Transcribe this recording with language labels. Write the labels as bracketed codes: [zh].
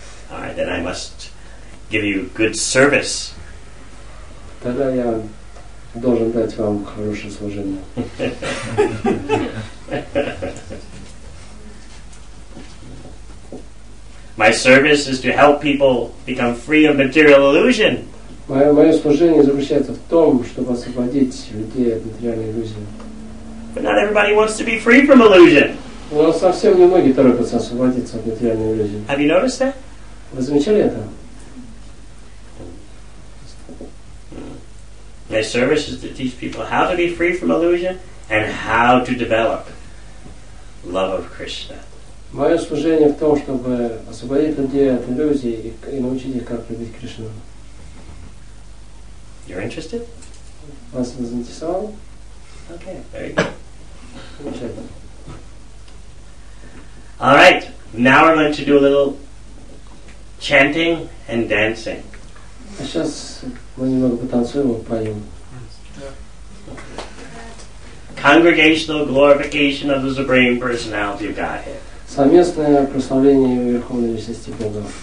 [en] All right, then I must give you good service. [ru] Тогда я должен дать вам хорошее служение. [en] My service is to help people become free of material illusion. [ru] Мое служение заключается в том, чтобы освободить людей от материальной иллюзии. [en] But not everybody wants to be free from illusion. [ru] Но совсем не многие торопятся освободиться от материальной иллюзии. [en] Have you noticed that? [ru] Вы замечали это? [en] My service is to teach people how to be free from illusion and how to develop love of Krishna. [ru] Моё служение в том, чтобы освободить людей от иллюзий и научить их, как любить Кришну. [en] You're interested? [ru] Вас это заинтересовало? [en] Okay, very good. All right, now we're going to do a little chanting and dancing. [ru] А сейчас мы немного потанцуем и поем. [en] Congregational glorification of the Supreme Personality of Godhead. [ru] Совместное прославление Верховной Личности Бога.